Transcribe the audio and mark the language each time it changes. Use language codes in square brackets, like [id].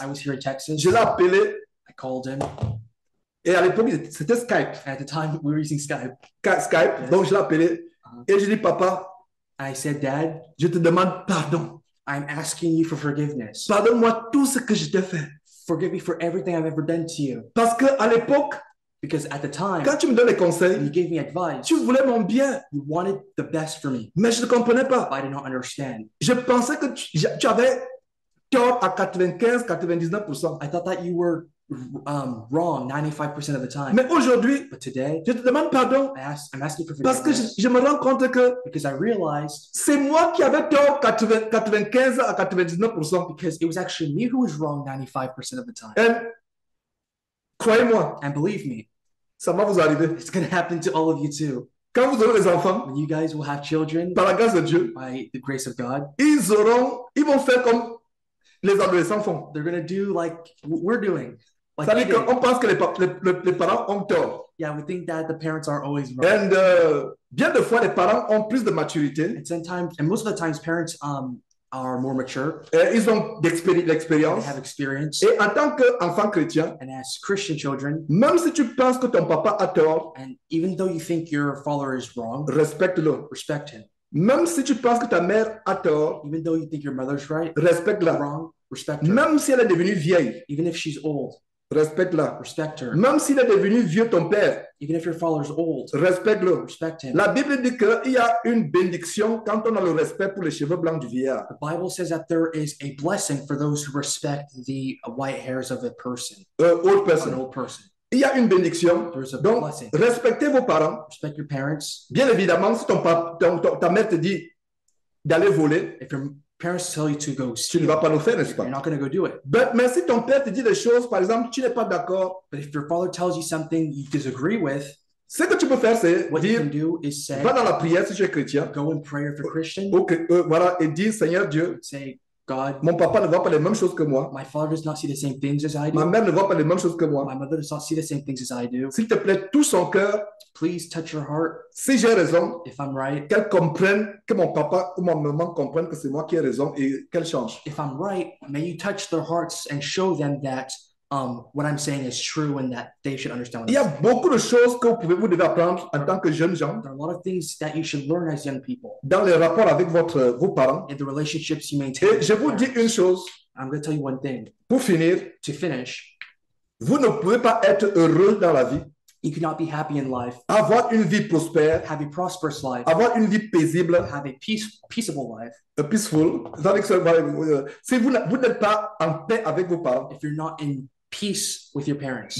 [en] I was here in Texas. [fr] Je l'ai appelé. [en] I called him. [fr] Et à l'époque, c'était Skype. [en] At the time, we were using Skype. [fr] Skype. Yes. Donc, je l'ai appelé. Et je dis, papa. [en] I said, Dad. [fr] Je te demande pardon. [en] I'm asking you for forgiveness. [fr] Pardonne-moi tout ce que je t'ai fait. [en] Forgive me for everything I've ever done to you. [fr] Parce que à l'époque, [en] because at the time, [fr] quand tu me donnes les conseils, [en] you gave me advice, [fr] tu voulais mon bien. [en] You wanted the best for me. [fr] Mais je ne comprenais pas. [en] But I did not understand. [fr] Je pensais que tu avais tort à 95-99%. [en] I thought that you were wrong 95% of the time. [fr] Mais aujourd'hui, [en] but today, [fr] je te demande pardon. [en] I'm asking for forgiveness. [fr] Parce que je me rends compte que, [en] because I realized, [fr] c'est moi qui avais tort 95-99%. [en] Because it was actually me who was wrong 95% of the time. [fr] Et, croyez-moi. [en] And believe me. [fr] Ça va vous arriver. [en] It's going to happen to all of you too. [fr] Quand vous aurez des enfants, [en] when you guys will have children, [fr] par la grâce de Dieu, [en] by the grace of God, [fr] ils vont faire comme les adolescents font. [en] They're going to do like we're doing. Like [fr] ça veut dire qu'on pense que les parents ont tort. [en] Yeah, we think that the parents aren't always right. [fr] And bien de fois, les parents ont plus de maturité. [en] And sometimes, and most of the times, parents are more mature. [fr] Ils ont l'expérience. [en] They have experience. [fr] Et en tant qu'enfant chrétien, [en] and as Christian children, [fr] même si tu penses que ton papa a tort, [en] and even though you think your father is wrong, [fr] respecte-le. [en] Respect him. [fr] Même si tu penses que ta mère a tort, [en] even though you think your mother's right, [fr] respecte-la. [en] Wrong, respect her. [fr] Même si elle est devenue vieille, [en] even if she's old, [fr] respecte-la. [en] Respect her. [fr] Même s'il est devenu vieux ton père, [en] even if your father's old, [fr] respecte-le. [en] Respect him. [fr] La Bible dit qu'il y a une bénédiction quand on a le respect pour les cheveux blancs du vieillard. [en] The Bible says that there is a blessing for those who respect the white hairs of a person. Old person. An old person. [fr] Il y a une bénédiction. [en] There's a [fr] Donc, [en] blessing. [fr] Respectez vos parents. [en] Respect your parents. [fr] Bien évidemment, si ta mère te dit d'aller voler, [en] if your parents tell you to go steal, [fr] tu ne vas pas le faire, n'est-ce pas? [en] You're not going to go do it. [fr] But, mais si ton père te dit des choses, par exemple, tu n'es pas d'accord, [en] but if your father tells you something you disagree with, [fr] ce que tu peux faire, c'est [en] what [fr] dire, [en] you can do is say, [fr] va dans la prière si tu es chrétien. [en] Go in prayer if you're Christian. [fr] Okay, voilà, et dis, Seigneur Dieu, [en] say, God, [fr] mon papa ne voit pas les mêmes choses que moi. [en] My father does not see the same things as I do. [fr] Ma mère ne voit pas les mêmes choses que moi. [en] My mother does not see the same things as I do. [fr] S'il te plaît, tout son cœur. [en] Please touch your heart. [fr] Si j'ai raison, [en] if I'm right, [fr] qu'elle comprenne que mon papa ou ma maman comprenne que c'est moi qui ai raison et qu'elle change. [en] If I'm right, may you touch their hearts and show them that what I'm saying is true and that they should understand. [fr] Il y a beaucoup de choses que vous devez apprendre en tant que jeunes gens. [en] There are a lot of things that you should learn as young people. [fr] Dans les rapports avec vos parents. [en] In the relationships you maintain. [fr] Et je vous dis une chose. [en] I'm going to tell you one thing. [fr] Pour finir. [en] To finish. [fr] Vous ne pouvez pas être heureux dans la vie. [en] You cannot be happy in life. [fr] Avoir une vie prospère. [en] Have a prosperous life. [fr] Avoir une vie paisible. [en] Have a peaceable life. A peaceful. [fr] Si vous n'êtes pas en paix avec vos parents. [en] If you're not in peace with your parents.